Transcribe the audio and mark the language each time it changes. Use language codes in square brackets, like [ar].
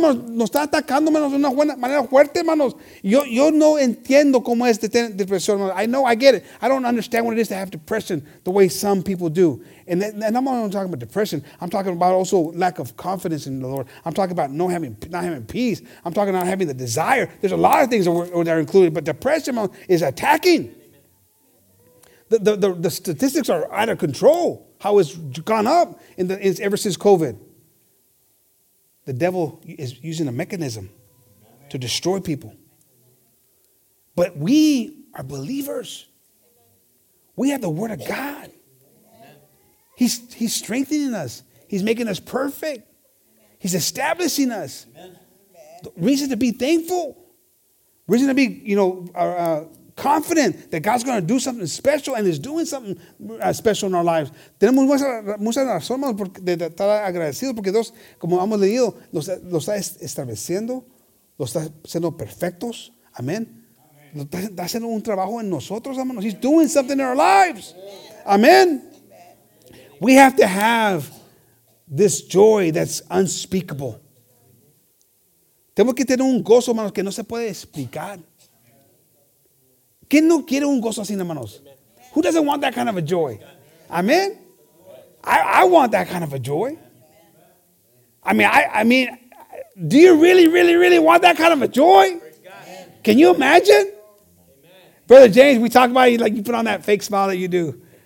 [es] Nos está atacando, hermanos, de una manera fuerte, hermanos. Yo no entiendo cómo es tener depresión, hermanos. [en] I know, I get it. I don't understand what it is to have depression the way some people do. And I'm not only talking about depression. I'm talking about also lack of confidence in the Lord. I'm talking about not having peace. I'm talking about having the desire. There's a lot of things that are included, but depression, hermanos, is attacking. The statistics are out of control. How it's gone up is ever since COVID. The devil is using a mechanism to destroy people. But we are believers. We have the word of God. He's strengthening us. He's making us perfect. He's establishing us. The reason to be thankful. Reason to be, you know, confident that God's going to do something special and is doing something special in our lives. [es] Tenemos muchas razones de estar agradecidos porque Dios, como hemos leído, los está estableciendo, los está haciendo perfectos. Amén. Está haciendo un trabajo en nosotros, hermanos. [en] He's doing something in our lives. Amén. We have to have this joy that's unspeakable. [es] Tenemos que tener un gozo, hermanos, que no se puede explicar. ¿Quién no quiere un gozo así, hermanos? [en] Who doesn't want that kind of a joy? Amen. I want that kind of a joy. I mean, do you really, really, really want that kind of a joy? Can you imagine? Brother James, we talk about you like you put on that fake smile that you do.